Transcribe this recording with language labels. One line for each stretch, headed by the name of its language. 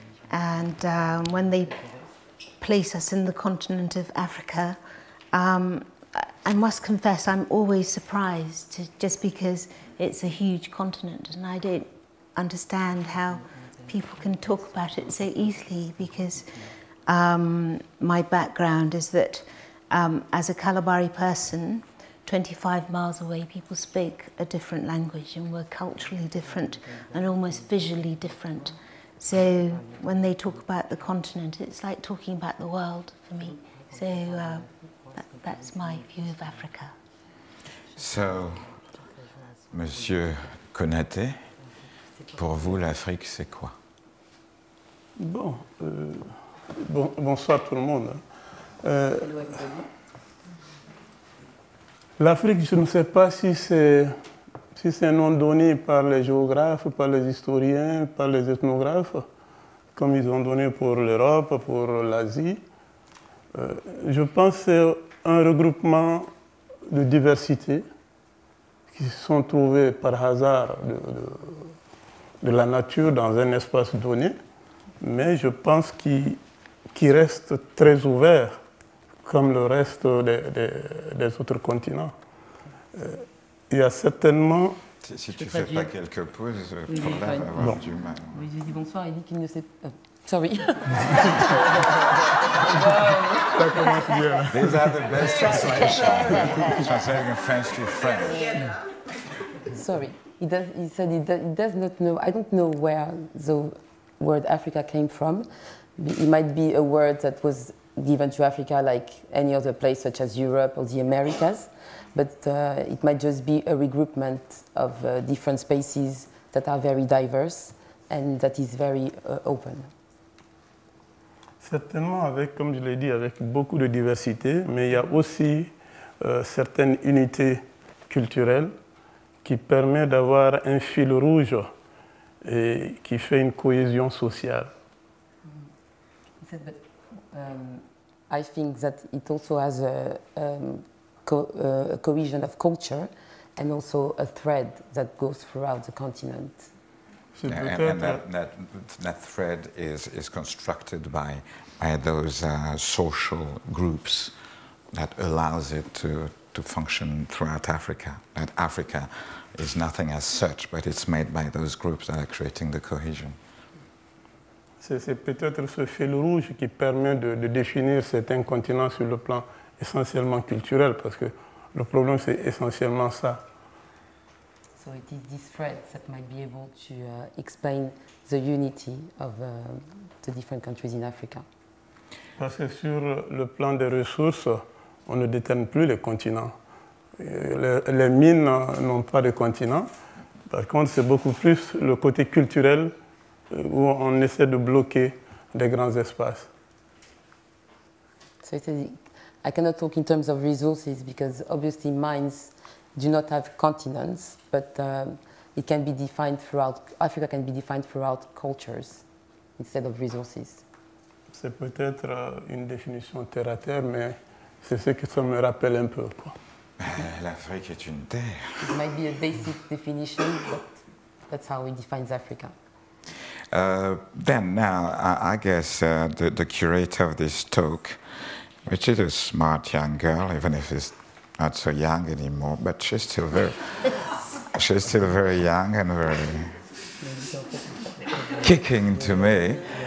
English: When they place us in the continent of Africa, I must confess I'm always surprised, just because it's a huge continent and I don't understand how people can talk about it so easily, because my background is that as a Kalabari person, 25 miles away, people spoke a different language and were culturally different and almost visually different. So when they talk about the continent, it's like talking about the world for me. So that's my view of Africa.
French: So, Monsieur Konaté, pour vous, l'Afrique, c'est quoi? Bon, bonsoir tout le monde. L'Afrique, je ne sais pas si c'est un nom donné par les géographes, par les historiens, par les ethnographes, comme ils ont donné pour l'Europe, pour l'Asie. Je pense que c'est un regroupement de diversités qui se sont trouvées par hasard de la nature dans un espace donné, mais je pense qu'il reste très ouvert, comme le reste des autres continents. Il y a certainement... Si tu fais pas quelques pauses, pour là, va avoir du mal. Oui, j'ai dit bonsoir, il dit qu'il ne sait pas.
English: Sorry.
French: Ça commence bien.
English: These are the best translations. Translating French to French. sorry. He does not know. I don't know where the word Africa came from. It might be a word that was given to Africa like any other place, such as Europe or the Americas. But it might just be a regroupment of different spaces that are very diverse and that is very open.
French: Certainement, avec, comme je l'ai dit, avec beaucoup de diversité, mais il y a aussi certaines unités culturelles qui permettent d'avoir un fil rouge et qui fait une cohésion sociale.
English: He said, but, I think that it also has a cohesion of culture and also a thread that goes throughout the continent. And that thread is constructed by those social groups that allows it to function throughout Africa. That Africa is nothing as such, but it's made by those groups that are creating the cohesion.
French: C'est peut-être ce fil rouge qui permet de définir certains continents sur le plan essentiellement culturel, parce que le problème c'est essentiellement ça.
English: So it is this thread that might be able to explain the unity of the different countries in Africa.
French: Parce que sur le plan des ressources, on ne détermine plus les continents. Les mines n'ont pas de continent. Par contre, c'est beaucoup plus le côté culturel où on essaie de bloquer des grands espaces.
English: So I cannot talk in terms of resources because obviously mines do not have continents, but it can be defined throughout, Africa can be defined throughout cultures instead of resources.
French: C'est peut-être une définition terre à terre, mais c'est ce que ça me rappelle un peu. L'Afrique est une terre.
English: It might be a basic definition, but that's how we define Africa. Then now, I guess the curator of this talk, which is a smart young girl, even if she's not so young anymore, but she's still very, young and very kicking to me.